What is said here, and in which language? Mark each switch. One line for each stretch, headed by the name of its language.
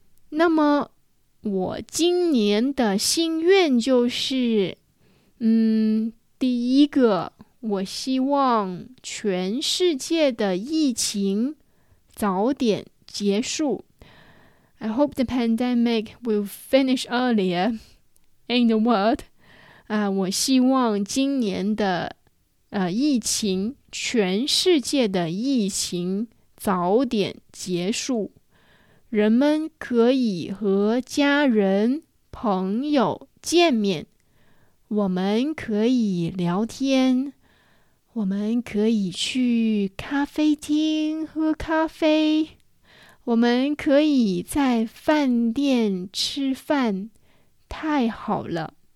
Chinese: 那么我今年的心愿就是，第一个，我希望全世界的疫情早点结束。
English: I hope the pandemic will finish earlier in the world.
Chinese: 我希望今年的疫情，全世界的疫情早点结束，人们可以和家人朋友见面，我们可以聊天，我们可以去咖啡厅喝咖啡，我们可以在饭店吃饭，太好了。